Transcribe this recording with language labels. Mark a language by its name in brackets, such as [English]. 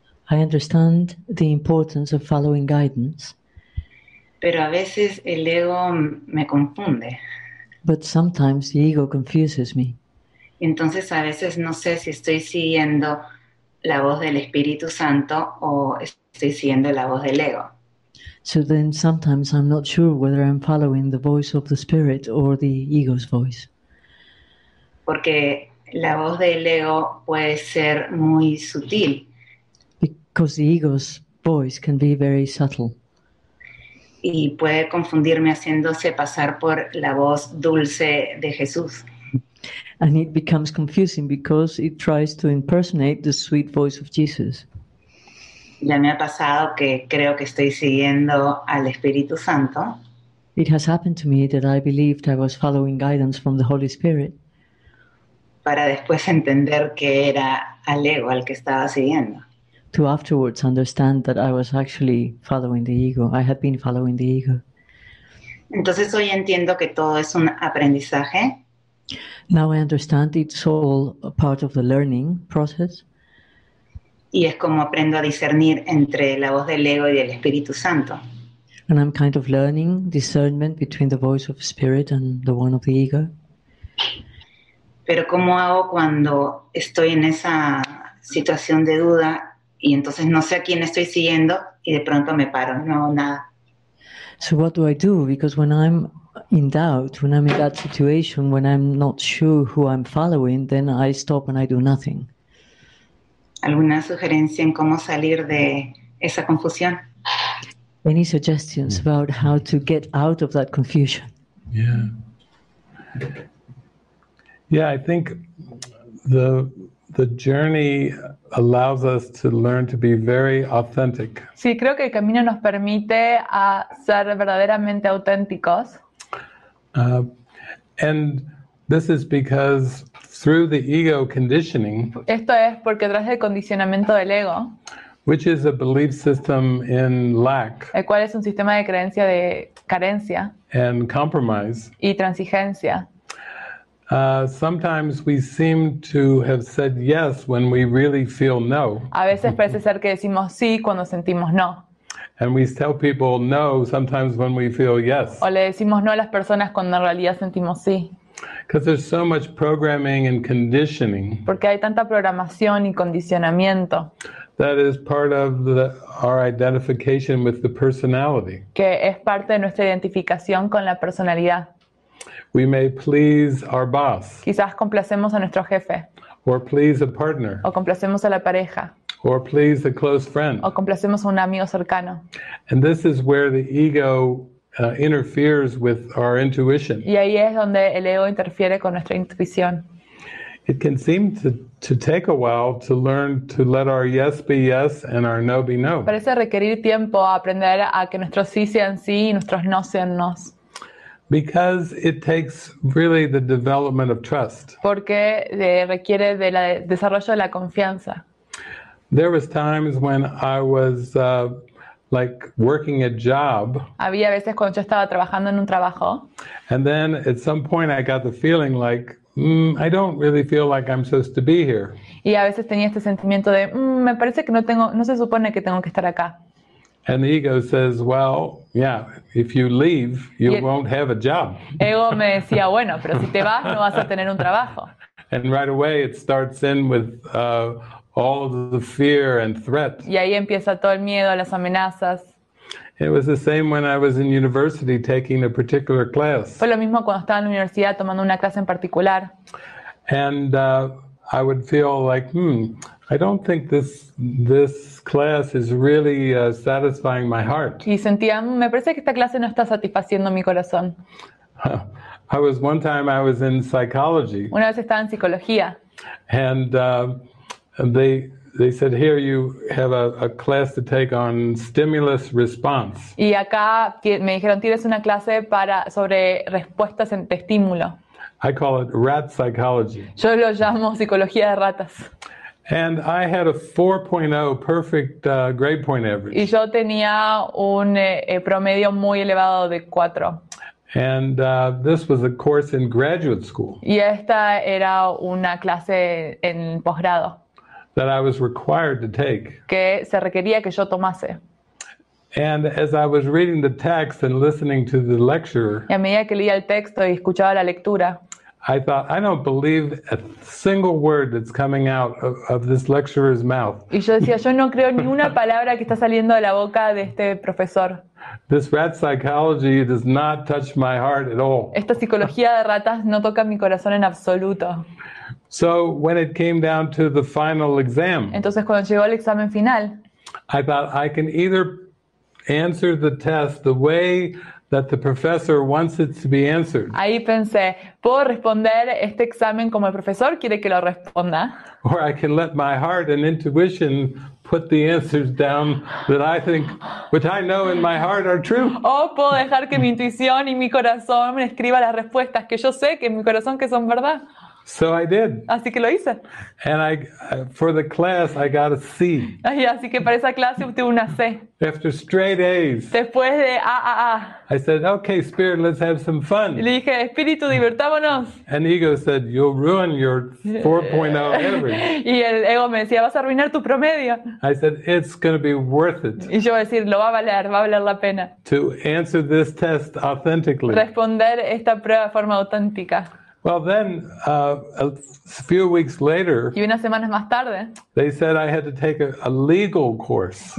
[English] I understand the importance of following guidance. [Spanish] Pero a veces el ego me confunde. [English] But sometimes the ego confuses me. [Spanish] Entonces a veces no sé si estoy siguiendo la voz del Espíritu Santo o estoy siguiendo la voz del ego. [English] So then sometimes I'm not sure whether I'm following the voice of the spirit or the ego's voice. [Spanish] Porque la voz del ego puede ser muy sutil. [English] Because the ego's voice can be very subtle. [Spanish] Y puede confundirme haciéndose pasar por la voz dulce de Jesús. [English] And it becomes confusing because it tries to impersonate the sweet voice of Jesus. [Spanish] Ya me ha pasado que creo que estoy siguiendo al Espíritu Santo. [English] It has happened to me that I believed I was following guidance from the Holy Spirit. [Spanish] Para después entender que era al ego al que estaba siguiendo. [English] To afterwards understand that I was actually following the ego. I had been following the ego. [Spanish] Entonces hoy entiendo que todo es un aprendizaje. [English] Now I understand it's all a part of the learning process. [Spanish] y es como aprendo a discernir entre la voz del ego y del Espíritu Santo. [English] And I'm kind of learning discernment between the voice of spirit and the one of the ego. [Spanish] Pero ¿cómo hago cuando estoy en esa situación de duda y entonces no sé a quién estoy siguiendo y de pronto me paro, no hago nada? [English] So what do I do? Because when I'm in doubt, when I'm in that situation, when I'm not sure who I'm following, then I stop and I do nothing. [Spanish] ¿Alguna sugerencia en cómo salir de esa confusión? [English] Any suggestions about how to get out of that confusion? Yeah, I think the journey allows us to learn to be very authentic. [Spanish] Sí, creo que el camino nos permite a ser verdaderamente auténticos. [English] And this is because through the ego conditioning. [Spanish] Esto es porque tras el condicionamiento del ego. [English] Which is a belief system in lack. [Spanish] El cual es un sistema de creencia de carencia. [English] And compromise. [Spanish] Y transigencia. [English] Sometimes we seem to have said yes when we really feel no. [Spanish] A veces parece ser que decimos sí cuando sentimos no. [English] And we tell people no sometimes when we feel yes. [Spanish] O le decimos no a las personas cuando en realidad sentimos sí. [English] Because there's so much programming and conditioning. [Spanish] Porque hay tanta programación y condicionamiento. [English] That is part of our identification with the personality. [Spanish] Que es parte de nuestra identificación con la personalidad. [English] We may please our boss. [Spanish] Quizás complacemos a nuestro jefe. [English] Or please a partner. [Spanish] O complacemos a la pareja. [English] Or please a close friend. [Spanish] O complacemos a un amigo cercano. [English] And this is where the ego interferes with our intuition. [Spanish] Y ahí es donde el ego interfiere con nuestra intuición. [English] It can seem to take a while to learn to let our yes be yes and our no be no. [Spanish] Parece requerir tiempo a aprender a que nuestros sí sean sí y nuestros no sean no. [English] Because it takes really the development of trust. [Spanish] Porque requiere del desarrollo de la confianza. [English] There was times when I was like working a job. [Spanish] Había veces cuando yo estaba trabajando en un trabajo. [English] And then at some point I got the feeling like I don't really feel like I'm supposed to be here. [Spanish] Y a veces tenía este sentimiento de me parece que no se supone que tengo que estar acá. [English] And the ego says, "Well, yeah, if you leave, you won't have a job." [Spanish] Ego me decía, "Bueno, pero si te vas no vas a tener un trabajo." [English] And right away it starts in with all the fear and threat. [Spanish] Y ahí empieza todo el miedo, las amenazas. [English] It was the same when I was in university taking a particular class. [Spanish] Fue lo mismo cuando estaba en la universidad tomando una clase en particular. [English] And I would feel like, I don't think this class is really satisfying my heart. [Spanish] Y sentía, me parece que esta clase no está satisfaciendo mi corazón. [English] I was in psychology. [Spanish] Una vez estaba en psicología. [English] And they said, here you have a class to take on stimulus response. [Spanish] Y acá me dijeron, tienes una clase para sobre respuestas ante estímulo. [English] I call it rat psychology. [Spanish] Yo lo llamo psicología de ratas. [English] And I had a 4.0 perfect grade point average. [Spanish] Y yo tenía un promedio muy elevado de 4. [English] And this was a course in graduate school. [Spanish] Y esta era una clase en posgrado. [English] That I was required to take. [Spanish] Que se requería que yo tomase. [English] And as I was reading the text and listening to the lecture. [Spanish] Y a medida que leía el texto y escuchaba la lectura. [English] I thought, I don't believe a single word that's coming out of this lecturer's mouth. [Spanish] Y yo decía, yo no creo ni una palabra que está saliendo de la boca de este profesor. [English] This rat psychology does not touch my heart at all. [Spanish] Esta psicología de ratas no toca mi corazón en absoluto. [English] So when it came down to the final exam. [Spanish] Entonces cuando llegó el examen final. [English] I thought I can either answer the test the way that the professor wants it to be answered. [Spanish] Ahí pensé, ¿puedo responder este examen como el profesor quiere que lo responda? [English] Or I can let my heart and intuition put the answers down that I think, which I know in my heart are true. [Spanish] O puedo dejar que mi intuición y mi corazón escriba las respuestas que yo sé que en mi corazón que son verdad. [English] So I did. [Spanish] Así que lo hice. [English] And I, for the class, I got a C. [Spanish] Ay, así que para esa clase obtuve una C. [English] After straight A's. [Spanish] Después de AAA. [English] I said, okay, spirit, let's have some fun. [Spanish] Y le dije, espíritu, divertámonos. [English] And ego said, you'll ruin your 4.0 average. [Spanish] Y el ego me decía, vas a arruinar tu promedio. [English] I said, it's going to be worth it. [Spanish] Y yo decir, lo va a valer la pena. [English] To answer this test authentically. [Spanish] Responder esta prueba de forma auténtica. [English] Well, then, a few weeks later, [Spanish] y unas semanas más tarde, [English] they said I had to take a legal course.